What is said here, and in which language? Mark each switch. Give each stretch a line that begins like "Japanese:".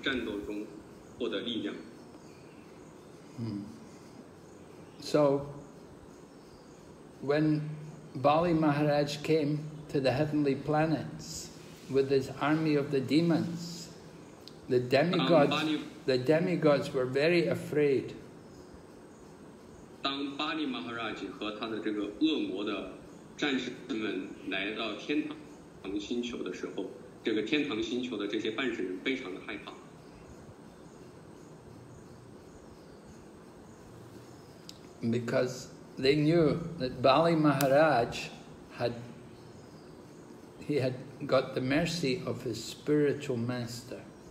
Chinese: 通过这场祭祀，他得到了一个非常有力的战车，而且还有其他的一些用品，让他能够在这场战斗中获得力量。
English: So, when Bali Maharaj came to the heavenly planets with his army of the demons, the demigods were very afraid.
Chinese: 当巴利马哈拉吉和他的这个恶魔的战士们来到天堂星球的时候，这个天堂星球的这些半神人非常的害怕。
English: Because they knew that Bali Maharaj had got the mercy of his spiritual master.